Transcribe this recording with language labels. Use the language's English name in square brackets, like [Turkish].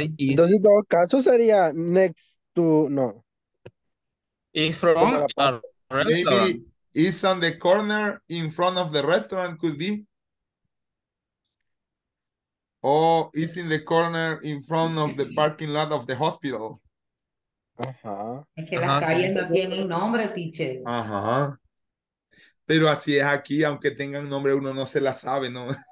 [Spanish] Entonces, en todo caso sería [English] next to, [Spanish] no. [English] In front of a restaurant. Maybe it's on the corner in front of the restaurant, could be. Or it's in the corner in front of the parking lot of the hospital. [Spanish] Ajá. Es que las calles no tienen nombre, teacher. Ajá. Pero así es aquí, aunque tengan nombre, uno no se la sabe, ¿no?